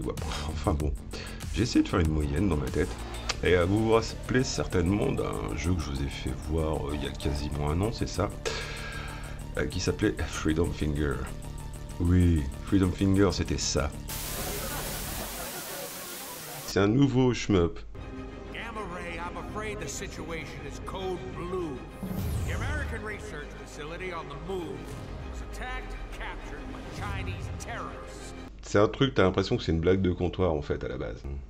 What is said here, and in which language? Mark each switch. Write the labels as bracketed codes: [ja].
[fr] Ouais, enfin bon, j'ai essayé de faire une moyenne dans ma tête. Et vous vous rappelez certainement d'un jeu que je vous ai fait voir il y a quasiment un an, c'est ça, qui s'appelait Freedom Finger. Oui, Freedom Finger, c'était ça. C'est un nouveau shmup. [en] Gamma Ray, I'm afraid the situation is code blue. The American research facility on the move was attacked and captured by Chinese terrorists. [fr] C'est un truc, t'as l'impression que c'est une blague de comptoir en fait à la base.